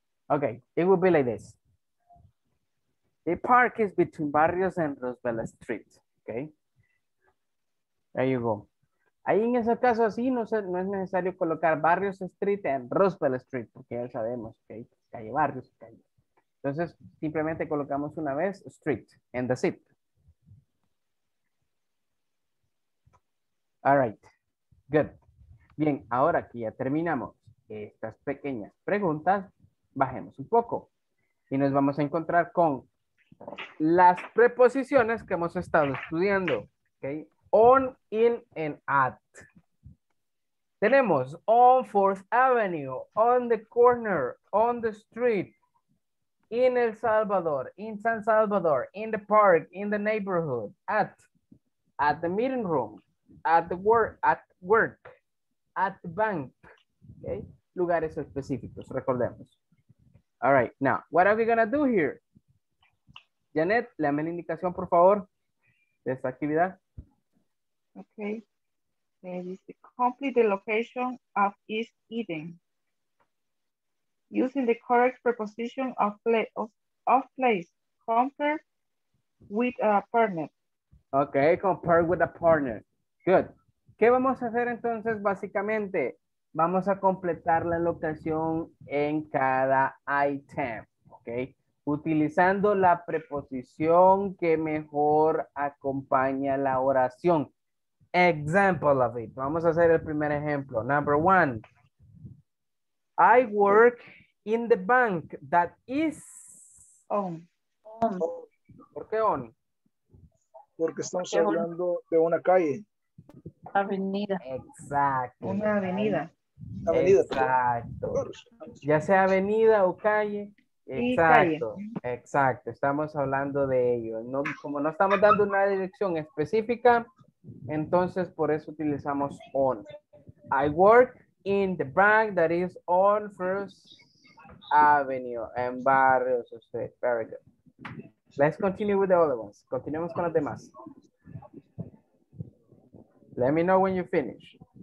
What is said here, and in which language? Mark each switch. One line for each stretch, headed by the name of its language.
English: Okay, it will be like this. The park is between Barrios and Roosevelt Street. Okay. There you go.
Spanish: Ahí en ese caso así no es necesario colocar Barrios Street en Roosevelt Street, porque ya sabemos que hay calle Barrios, calle. Entonces, simplemente colocamos una vez Street en the zip.
English: All right. Good.
Spanish: Bien, ahora que ya terminamos estas pequeñas preguntas, bajemos un poco. Y nos vamos a encontrar con las preposiciones que hemos estado estudiando.
English: Ok. On, in, and at. Tenemos on 4th Avenue, on the corner, on the street, in El Salvador, in San Salvador, in the park, in the neighborhood, at the meeting room, at work, at the bank. Okay?
Spanish: Lugares específicos, recordemos.
English: All right, now, what are we gonna do here?
Spanish: Janet, léame la indicación, por favor, de esta actividad.
English: Okay, complete the location of East Eden using the correct preposition of place, compare with a partner. Okay, compare with a partner. Good.
Spanish: ¿Qué vamos a hacer entonces? Básicamente, vamos a completar la locación en cada item, okay? Utilizando la preposición que mejor acompaña la oración.
English: Example of it.
Spanish: Vamos a hacer el primer ejemplo.
English: Number one. I work in the bank that is on.
Spanish: ¿Por qué on? Porque estamos hablando de una calle. Avenida. Exacto. Una avenida. Exacto. Ya sea avenida o calle. Exacto. Exacto. Estamos hablando de ello. No, como no estamos dando una dirección específica, entonces, por eso utilizamos on.
English: I work in the bank that is on First Avenue and Barrio Sosé. Very good. Let's continue with the other ones.
Spanish: Continuemos con las demás.
English: Let me know when you finish.